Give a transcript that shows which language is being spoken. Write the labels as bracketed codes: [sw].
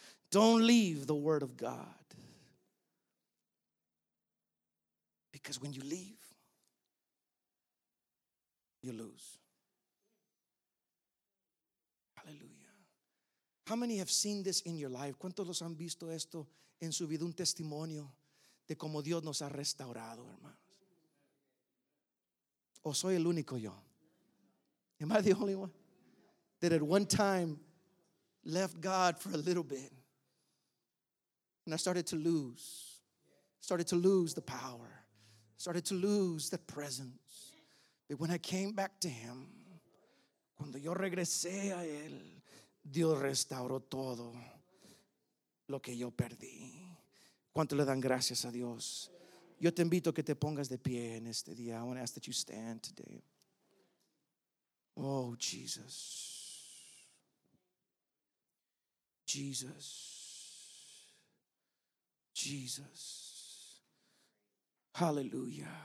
[en] Don't leave the word of God. Because when you leave, you lose. Hallelujah. How many have seen this in your life? [es] ¿Cuántos los han visto esto en su vida? Un testimonio de cómo Dios nos ha restaurado, hermanos. ¿O soy el único yo? [en] Am I the only one? That at one time left God for a little bit. And I started to lose the power, started to lose the presence. But when I came back to Him, [es] cuando yo regresé a Él, [en] Dios restauró todo lo que yo perdí. [es] ¿Cuánto le dan gracias a Dios? Yo te invito a que te pongas de pie en este día. [en] I want to ask that you stand today. Oh, Jesus. Jesus. Jesus. Hallelujah.